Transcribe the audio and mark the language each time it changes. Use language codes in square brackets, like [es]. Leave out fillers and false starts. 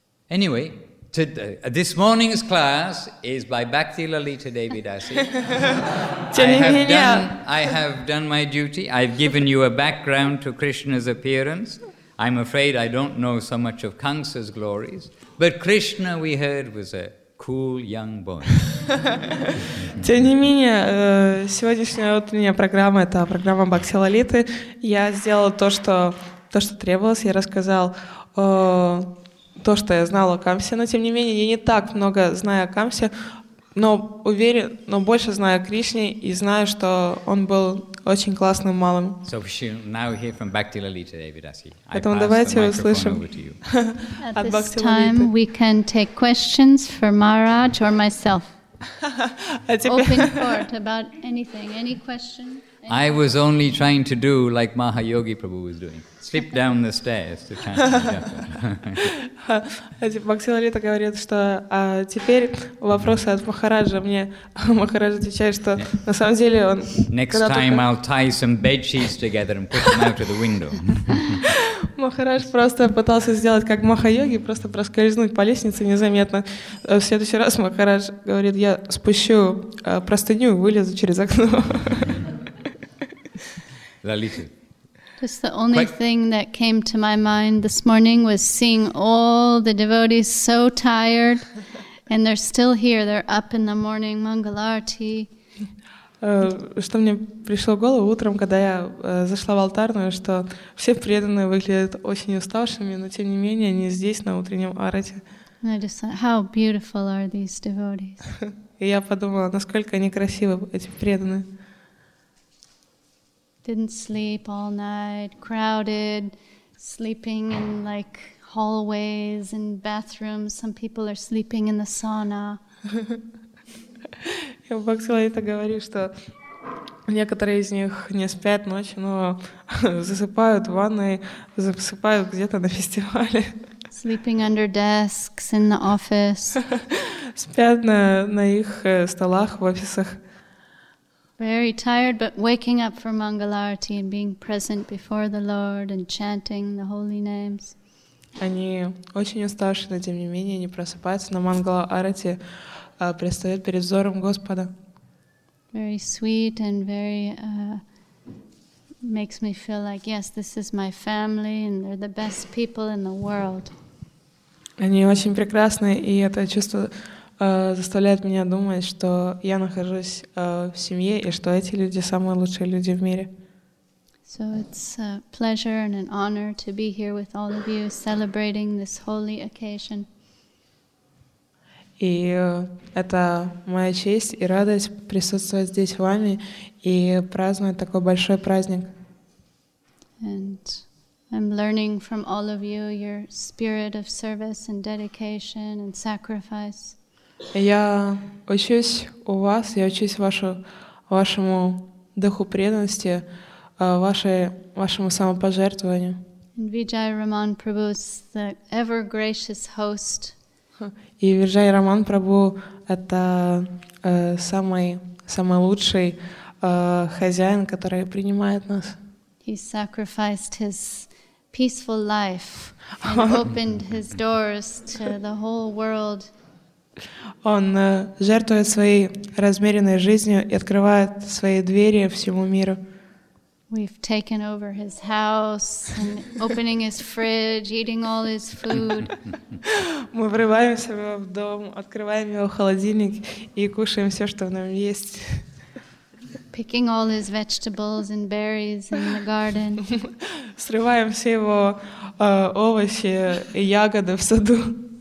[en] Anyway, this morning's class is by Bhakti Lalita Devi Dasi. I have done my duty. I've given you a background to Krishna's appearance. I'm afraid I don't know so much of Kamsa's glories. But Krishna, we heard, was a cool young boy. [ru] Тем не менее, сегодняшняя утренняя программа — это программа Бхакти Лалиты. Я сделал то, что требовалось. Я рассказал то, что я знала о Камсе, но, тем не менее, я не так много знаю о Камсе, но уверен, но больше знаю о Кришне и знаю, что он был очень классным малым. [en] So we shall now hear from Bhakti Lalita Devi Dasi. [ru] Поэтому давайте услышим. [en] At this time, we can take questions for Maharaj or myself. Open court about anything. Any question? I was only trying to do like Mahayogi Prabhu was doing. Slip down the stairs to catch up. [ru] Бхакти Лалита говорит, что теперь вопросы от Махараджа мне. Махарадж отвечает, что на самом деле он... [en] Next time I'll tie some bed sheets together and put them out of the window. [ru] Махарадж просто пытался сделать как Махайоги, просто проскользнуть по лестнице незаметно. В следующий раз Махарадж говорит, я спущу простыню и вылезу через окно. Лалита, [en] Because the only thing that came to my mind this morning was seeing all the devotees so tired, and they're still here. They're up in the morning, Mangal Arati. [ru] Что мне пришло в голову утром, когда я зашла в алтарную, что все преданные выглядят очень уставшими, но тем не менее они здесь на утреннем арате. [en] And I just thought, how beautiful are these devotees? [ru] И я подумала, насколько они красивы, эти преданные. [en] Didn't sleep all night, crowded, sleeping in like hallways and bathrooms. Some people are sleeping in the sauna. [ru] Я в Бхактивинода это говорю, что некоторые из них не спят ночью, но засыпают в ванной, засыпают где-то на фестивале. [en] Sleeping under desks in the office. [ru] Спят на их столах в офисах. [en] Very tired, but waking up for Mangal Arati and being present before the Lord and chanting the holy names. [ru] Они очень уставшие, но тем не менее не просыпаются на Мангала Арати, а предстают перед взором Господа. [en] Very sweet and very makes me feel like yes, this is my family and they're the best people in the world. [ru] Они очень прекрасны, и это чувство заставляет меня думать, что я нахожусь в семье, и что эти люди — самые лучшие люди в мире. [en] So it's a pleasure and an honor to be here with all of you, celebrating this holy occasion. [ru] И это моя честь и радость присутствовать здесь с вами и праздновать такой большой праздник. [en] And I'm learning from all of you your spirit of service and dedication and sacrifice. [ru] Я учусь у вас, я учусь вашему духу преданности, вашему самопожертвованию. [en] And Vijay Raman Prabhu is the ever gracious host. [ru] И Vijay Raman Prabhu это самый лучший хозяин, который принимает нас. [en] He sacrificed his peaceful life and opened his doors to the whole world. [ru] Он жертвует своей размеренной жизнью и открывает свои двери всему миру. [en] We've taken over his house and opening his fridge, eating all his food. [ru] Мы врываемся в его дом, открываем его холодильник и кушаем все, что в нем есть. [en] Picking all his vegetables and berries in the garden. [ru] Срываем все его овощи и ягоды в саду.